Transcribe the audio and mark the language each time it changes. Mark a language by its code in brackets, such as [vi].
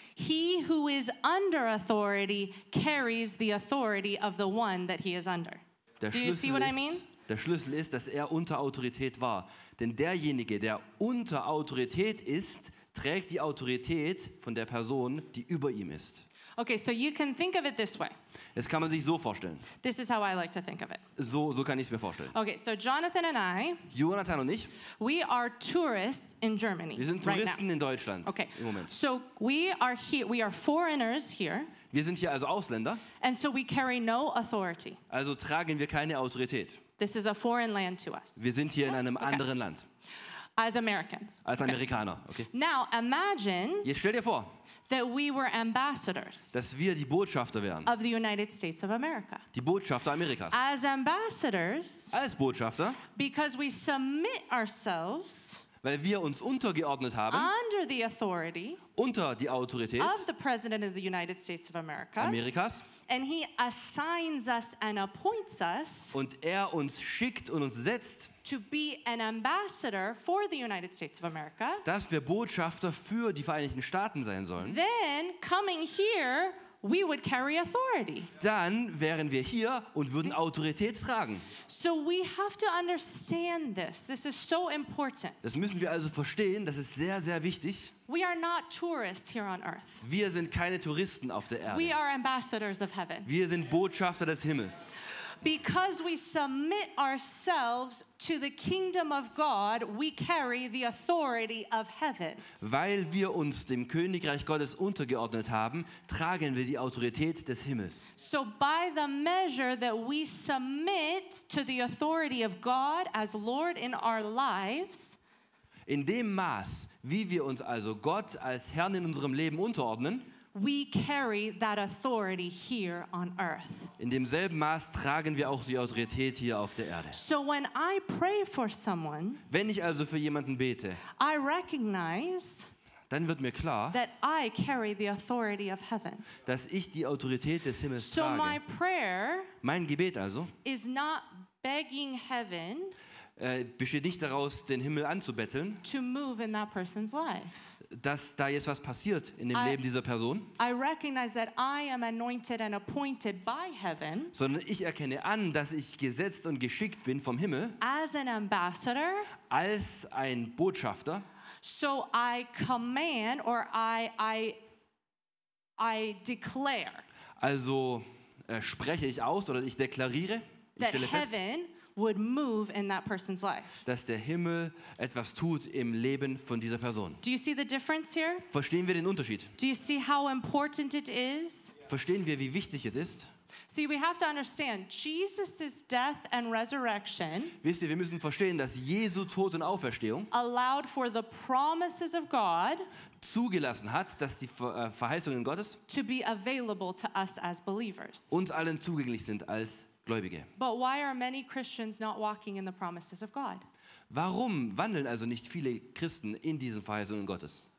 [en] He who is under authority carries the authority of the one that he is under. [de] Der Schlüssel, [en] do you see what I mean? [de] Der Schlüssel ist, dass er unter Autorität war. Denn derjenige, der unter Autorität ist, trägt die Autorität von der Person, die über ihm ist. [en] Okay, so you can think of it this way. [de] Das kann man sich so vorstellen. [en] This is how I like to think of it. [de] So kann ich es mir vorstellen. [en] Okay, so Jonathan and I. [de] Jonathan und ich. [en] We are tourists in Germany. [de] Wir sind Touristen [en] right [de] in Deutschland. [en] Okay. [de] Im Moment. [en] So we are foreigners here. [de] Wir sind hier also Ausländer. [en] And so we carry no authority. [de] Also tragen wir keine Autorität. [en] This is a foreign land to us. [de] Wir sind hier in einem anderen Land. [en] As Americans. [de] Als Amerikaner. Okay. [en] Now imagine. [de] Jetzt stell dir vor. [en] That we were ambassadors. [de] Dass wir die Botschafter wären. [en] Of the United States of America. [de] Die Botschafter Amerikas. [en] As ambassadors. [de] Als Botschafter. [en] Because we submit ourselves. [de] Weil wir uns untergeordnet haben. [en] Under the authority. [de] Unter die Autorität. [en] Of the President of the United States of America. [de] Amerikas. [en] And he assigns us and appoints us. [de] Und er uns schickt und uns setzt. [en] To be an ambassador for the United States of America. [de] Dass wir Botschafter für die Vereinigten Staaten sein sollen. [en] Then coming here, we would carry authority. [de] Dann wären wir hier und würden Autorität tragen. [en] So we have to understand this. This is so important. [de] Das müssen wir also verstehen. Das ist sehr, sehr wichtig. [en] We are not tourists here on earth. [de] Wir sind keine Touristen auf der Erde. [en] We are ambassadors of heaven. [de] Wir sind Botschafter des Himmels. [en] Because we submit ourselves to the kingdom of God, we carry the authority of heaven. [de] Weil wir uns dem Königreich Gottes untergeordnet haben, tragen wir die Autorität des Himmels. [en] So by the measure that we submit to the authority of God as Lord in our lives, [de] in dem Maß, wie wir uns also Gott als Herrn in unserem Leben unterordnen, [en] We carry that authority here on earth. [de] In demselben Maß tragen wir auch die Autorität hier auf der Erde. [en] So when I pray for someone, [de] wenn ich also für jemanden bete, [en] I recognize, [de] dann wird mir klar, [en] that I carry the authority of heaven. [de] Dass ich die Autorität des Himmels so trage. [en] So my prayer, [de] mein Gebet also, [en] is not begging heaven, [de] besteht nicht daraus, den Himmel anzubetteln, [en] to move in that person's life. [de] Dass da jetzt was passiert in dem Leben dieser Person. [en] I recognize that I am anointed and appointed by heaven. [de] Sondern ich erkenne an, dass ich gesetzt und geschickt bin vom Himmel. [en] As an ambassador. [de] Als ein Botschafter. [en] So I command or I declare. [de] Also spreche ich aus oder ich deklariere. [en] That [de] ich stelle [en] heaven [de] fest, [en] would move in that person's life. [de] Dass der Himmel etwas tut im Leben von dieser Person. [en] Do you see the difference here? [de] Verstehen wir den Unterschied? [en] Do you see how important it is? [de] Verstehen wir, wie wichtig es ist? [en] See, we have to understand Jesus's death and resurrection. [de] Wisst ihr, wir müssen verstehen, dass Jesu Tod und Auferstehung [en] allowed for the promises of God [de] zugelassen hat, dass die Verheißungen Gottes [en] to be available to us as believers. [de] Uns allen zugänglich sind als [en] But why are many Christians not walking in the promises of God? [de] Warum wandeln also nicht viele Christen in diesen Verheißungen Gottes?